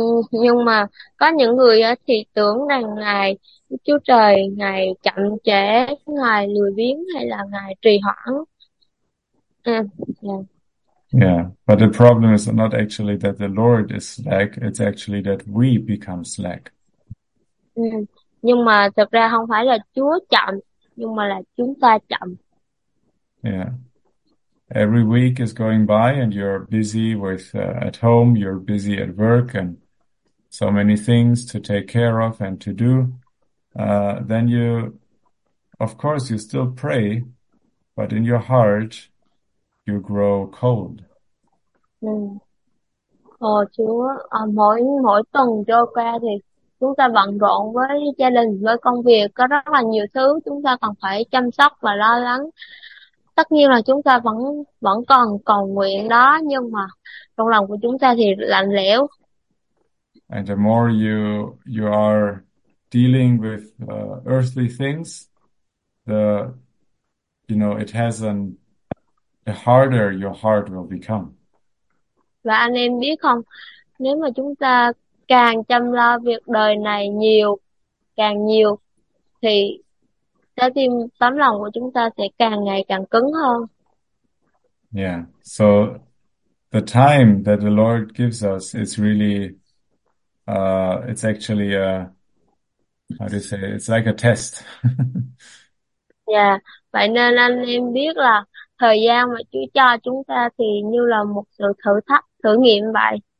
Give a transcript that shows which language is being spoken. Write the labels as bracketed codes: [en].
[vi] Nhưng mà có những người thì tưởng rằng ngài Chúa Trời ngài chậm trễ, ngài lười biếng hay là ngài trì hoãn. [en] Yeah, but the problem is not actually that the Lord is slack, it's actually that we become slack. [vi] Nhưng mà thực ra không phải là Chúa chậm, nhưng mà là chúng ta chậm. [en] Yeah. Every week is going by and you're busy with at home, you're busy at work and so many things to take care of and to do. Then you, of course, you still pray, but in your heart, you grow cold. [vi] Chúa, mỗi mỗi tuần trôi qua thì chúng ta bận rộn với gia đình, với công việc, có rất là nhiều thứ chúng ta còn phải chăm sóc và lo lắng. Tất nhiên là chúng ta vẫn vẫn còn cầu nguyện đó, nhưng mà trong lòng của chúng ta thì lạnh lẽo. [en] And the more you are dealing with earthly things, the you know it has an the harder your heart will become. [vi] Và anh em biết không, nếu mà chúng ta càng chăm lo việc đời này nhiều, càng nhiều, thì trái tim tấm lòng của chúng ta sẽ càng ngày càng cứng hơn. [en] Yeah, so the time that the Lord gives us is really it's actually a how do you say it's like a test. [vi] Yeah, vậy nên anh em biết là thời gian mà Chúa cho chúng ta thì như là một sự thử thách, thử nghiệm vậy.